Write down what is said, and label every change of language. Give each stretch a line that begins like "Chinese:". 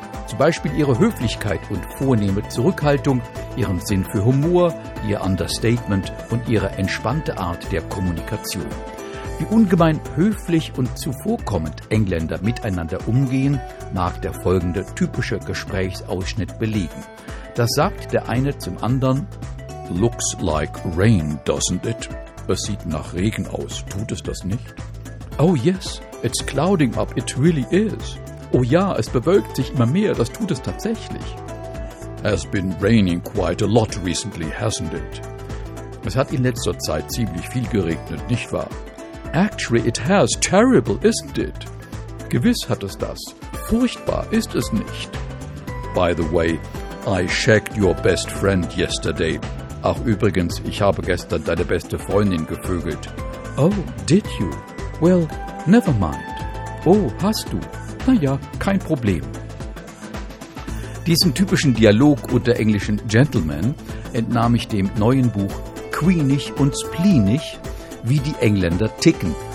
German: Zum Beispiel ihre Höflichkeit und vornehme Zurückhaltung, ihren Sinn für Humor, ihr Understatement und ihre entspannte Art der Kommunikation. Wie ungemein höflich und zuvorkommend Engländer miteinander umgehen, mag der folgende typische Gesprächsausschnitt belegen. Das sagt der eine zum anderen:
English: Looks like rain, doesn't it?
German: Es sieht nach Regen aus, tut es das nicht?
English: Oh yes, it's clouding up, it really is.
German: Oh ja, es bewölkt sich immer mehr, das tut es tatsächlich.
English: Has been raining quite a lot recently, hasn't it?
German: Es hat in letzter Zeit ziemlich viel geregnet, nicht wahr?
English: Actually, it has. Terrible, isn't it?
German: Gewiss hat es das. Furchtbar ist es nicht.
English: By the way, I shagged your best friend yesterday.
German: Ach übrigens, ich habe gestern deine beste Freundin gevögelt.
English: Oh, did you? Well, never mind.
German: Oh, hast du? Naja, kein Problem. Diesen typischen Dialog unter englischen Gentlemen entnahm ich dem neuen Buch Queenig und Spleenig, wie die Engländer ticken.